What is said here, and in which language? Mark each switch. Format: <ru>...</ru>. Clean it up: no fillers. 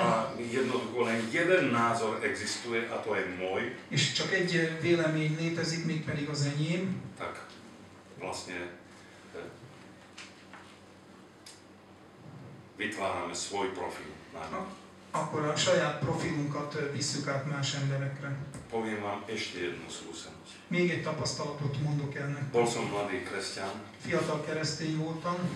<sk>A jednoducho len jeden názor existuje, a to je môj.</sk> <hu>És csak egy vélemény létezik, még pedig az enyém.</hu> <sk>Tak vlastne vytvárame svoj profil.</sk> <hu>Akkor a saját profilunkat visszük át más emberekre.</hu> <sk>Poviem vám ešte jednu skúsenosť.</sk> <hu>Még egy tapasztalatot mondok ennek.</hu> <sk>Bol som mladý kresťan.</sk> <hu>Fiatal keresztény voltam.</hu>